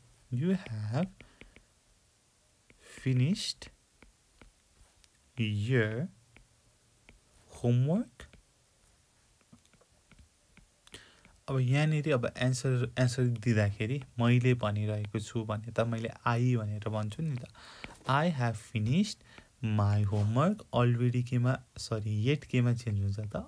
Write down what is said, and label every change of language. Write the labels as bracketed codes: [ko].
[en] You have finished your homework. [ne] अब यहाँनिर अब एन्सर दिँदाखेरि मैले भनिरहेको छु भने त मैले आई भनेर भन्छु नि त. [en] I have finished my homework already. [ne] केमा सरी येट केमा चेन्ज हुन्छ त?